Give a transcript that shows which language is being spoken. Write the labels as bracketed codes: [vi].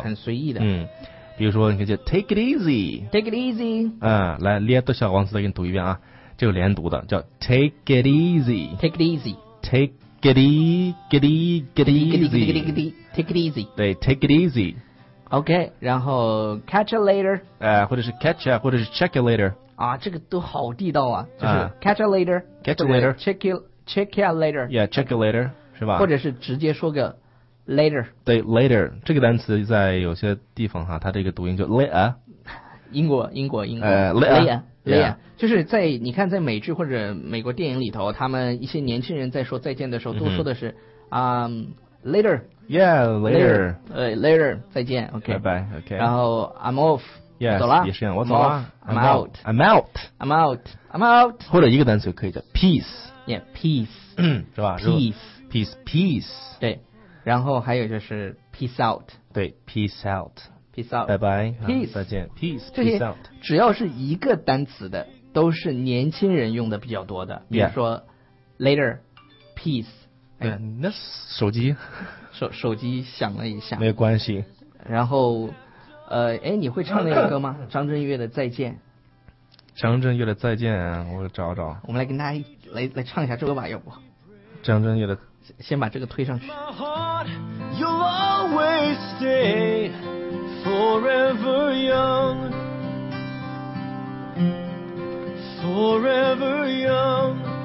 [zh] 很随意的。嗯，比如说你看就 take it easy， [en] take it easy。 [zh] 嗯，来，列多小王子再给你读一遍啊，这个连读的叫 take it easy， [en] take it easy， take it easy， get it， get it easy， take it easy，对， take it easy。 OK，然后 catch you later，或者是 catch you， 或者是 check you later， [zh] 啊，这个都好地道啊，就是 catch you later， [en] catch you later， check you later， yeah， check you later， 是吧？ [zh] 或者是直接说个 later，对 later， 这个单词在有些地方哈，它这个读音就 later， [en] 英国 later， later，yeah. [zh] 就是在你看在美剧或者美国电影里头，他们一些年轻人在说再见的时候都说的是啊。 [en] Mm-hmm. Later. Yeah, later. Later. 再见。 OK. Bye bye. OK. 然后 I'm off. Yes. [zh] 走了。也是一样。我走了。 [en] I'm out. I'm out. I'm out. I'm out. [zh] 或者一个单词就可以叫 peace. [en] Yeah, peace. [zh] 是吧 [en] ？Peace. Peace. Peace. [zh] 对。然后还有就是 peace out. [en] 对 ，peace out. Peace out. Bye bye. Peace.、再见。 Peace. Peace out. [zh] 只要是一个单词的，都是年轻人用的比较多的。比如说、 [en] yeah. later, peace. [zh] 对，那手机，手机响了一下，没有关系。然后，哎，你会唱那个歌吗？张震岳的《再见》。张震岳的《再见》，我找找。我们来跟大家来唱一下这个吧，要不？张震岳的，先把这个推上去。 [en] My heart, you'll always stay forever young, forever young.